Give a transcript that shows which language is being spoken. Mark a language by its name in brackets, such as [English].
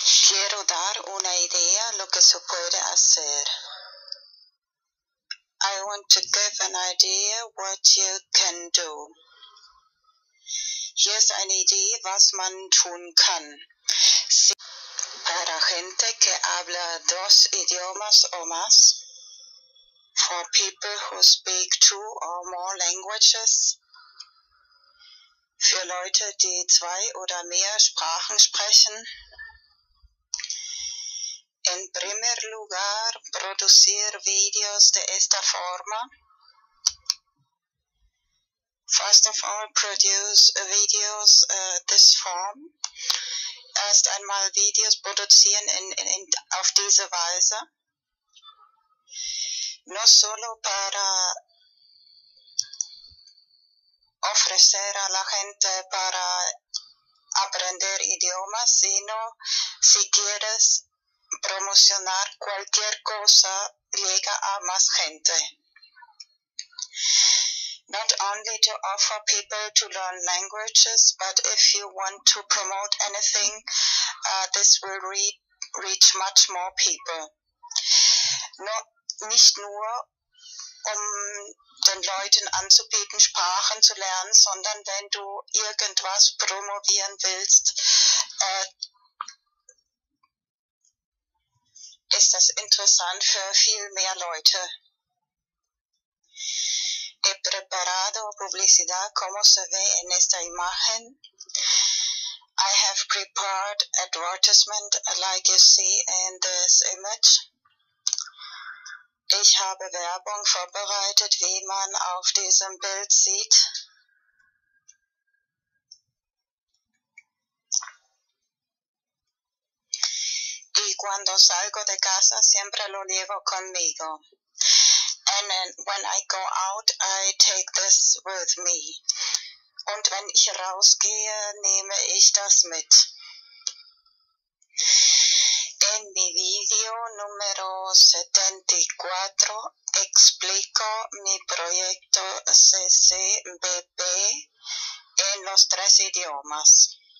[Spanish] quiero dar una idea lo que se puede hacer. [English] I want to give an idea what you can do. [German] Hier ist eine Idee, was man tun kann. [Spanish] Si para gente que habla dos idiomas o más. [English] For people who speak two or more languages. [German] Für Leute, die zwei oder mehr Sprachen sprechen. [Spanish] En primer lugar, producir videos de esta forma. [English] First of all, produce videos this form. [German] Erst einmal Videos produzieren in auf diese Weise. [Spanish] No solo para ofrecer a la gente para aprender idiomas, sino si quieres promocionar cualquier cosa, llega a más gente. [English] Not only to offer people to learn languages, but if you want to promote anything, this will reach much more people. [German] Nicht nur, um den Leuten anzubieten, Sprachen zu lernen, sondern wenn du irgendwas promovieren willst, ist das interessant für viel mehr Leute. [Spanish] He preparado publicidad como se ve en esta imagen. [English] I have prepared advertisement like you see in this image. [German] Ich habe Werbung vorbereitet, wie man auf diesem Bild sieht. [Spanish] Y cuando salgo de casa, siempre lo llevo conmigo. [English] And when I go out, I take this with me. [German] Und wenn ich rausgehe, nehme ich das mit. [Spanish] En mi video número 74 explico mi proyecto CCBP en los tres idiomas.